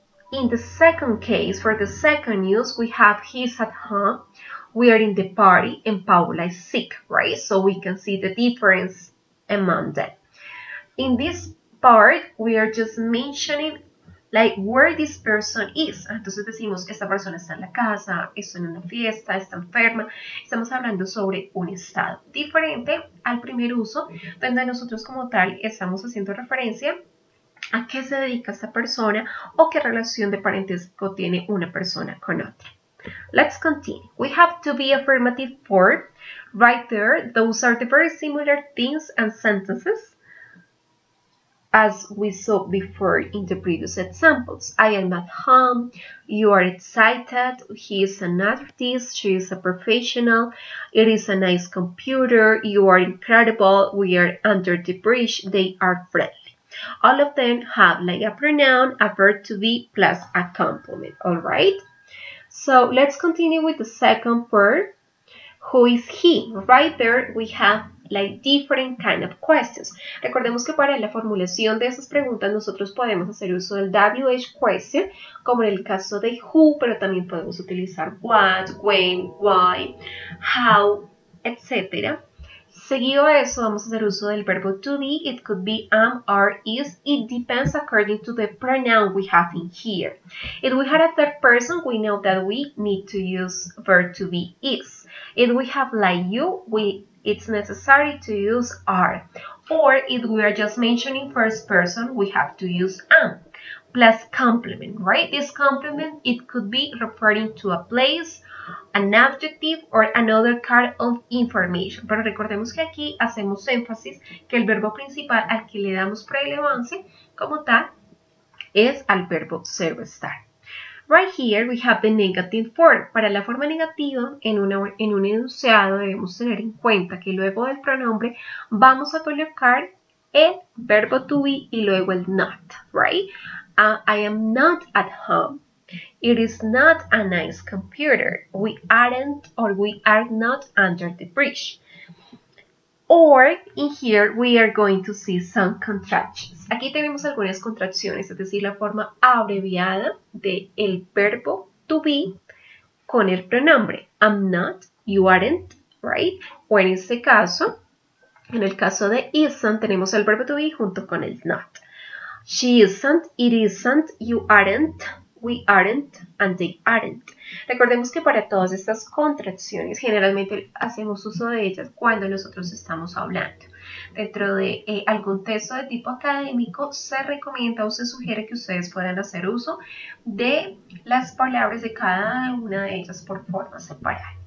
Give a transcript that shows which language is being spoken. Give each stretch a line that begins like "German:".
English: In the second case, for the second use, we have he's at home, we are in the party, and Paula is sick, right? So we can see the difference among them. In this part, we are just mentioning like where this person is.
Spanish: Entonces decimos, esta persona está en la casa, está en una fiesta, está enferma. Estamos hablando sobre un estado. Diferente al primer uso, donde nosotros como tal estamos haciendo referencia a qué se dedica esta persona o qué relación de parentesco tiene una persona con otra.
English: Let's continue. We have to be affirmative form. Right there, those are the very similar things and sentences as we saw before in the previous examples. I am at home, you are excited, he is an artist, she is a professional, it is a nice computer, you are incredible, we are under the bridge, they are friendly. All of them have like a pronoun, a verb to be, plus a complement, alright? So let's continue with the second verb. Who is he? Right there we have like different kind of questions.
Spanish: Recordemos que para la formulación de esas preguntas nosotros podemos hacer uso del WH question, como en el caso de who, pero también podemos utilizar what, when, why, how, etc. Seguido a eso vamos a hacer uso del verbo to be.
English: It could be am, are, is. It depends according to the pronoun we have in here. If we had a third person, we know that we need to use verb to be is. If we have like you, it's necessary to use are. Or if we are just mentioning first person, we have to use am. Plus complement, right? This complement, it could be referring to a place, an adjective, or another kind of information.
Spanish: Pero recordemos que aquí hacemos énfasis que el verbo principal al que le damos relevancia como tal es al verbo ser o estar.
English: Right here we have the negative form.
Spanish: Para la forma negativa, en un enunciado debemos tener en cuenta que luego del pronombre vamos a colocar el verbo to be y luego el not, right?
English: I am not at home. It is not a nice computer. We aren't or we are not under the bridge. Or, in here, we are going to see some contractions.
Spanish: Aquí tenemos algunas contracciones, es decir, la forma abreviada del verbo to be con el pronombre.
English: I'm not, you aren't, right?
Spanish: O en este caso, en el caso de isn't, tenemos el verbo to be junto con el not.
English: She isn't, it isn't, you aren't, we aren't, and they aren't.
Spanish: Recordemos que para todas estas contracciones, generalmente hacemos uso de ellas cuando nosotros estamos hablando. dentro de algún texto de tipo académico, se recomienda o se sugiere que ustedes puedan hacer uso de las palabras de cada una de ellas por forma separada.